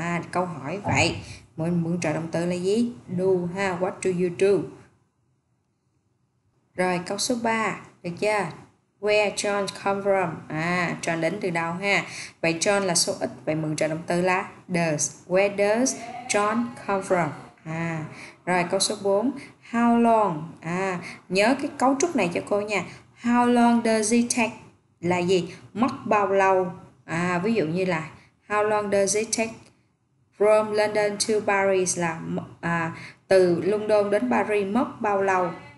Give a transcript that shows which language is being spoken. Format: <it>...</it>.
<vi>À, câu hỏi vậy. Mình mượn trợ động từ là gì?</vi> <en>Do ha, what do you do?</en> <vi>Rồi, câu số 3, được chưa?</vi> <en>Where John come from?</en> <vi>À, John đến từ đâu ha? Vậy John là số ít, vậy mượn trợ động từ là does.</vi> <en>Where does John come from?</en> <vi>À, rồi câu số 4, how long? À, nhớ cái cấu trúc này cho cô nha.</vi> <en>How long does it take</en> <vi>là gì? Mất bao lâu? À, ví dụ như là</vi> <en>how long does it take from London to Paris</en> <vi>là từ London đến Paris mất bao lâu?</vi>